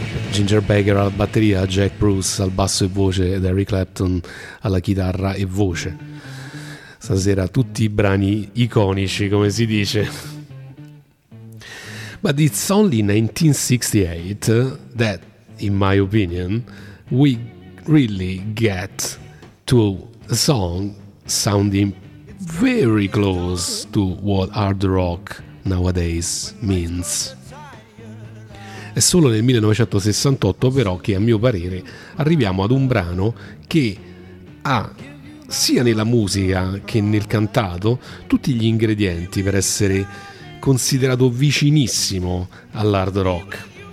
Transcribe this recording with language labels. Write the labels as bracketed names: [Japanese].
[Italian] Ginger Baker alla batteria, Jack Bruce al basso e voce ed Eric Clapton alla chitarra e voce. Stasera tutti i brani iconici, come si dice. [English] But it's only 1968 that, in my opinion, we really get to a song sounding very close to what hard rock nowadays means. [Italian] È solo nel 1968 però che, a mio parere, arriviamo ad un brano che ha, sia nella musica che nel cantato, tutti gli ingredienti per essere considerato vicinissimo all'hard rock.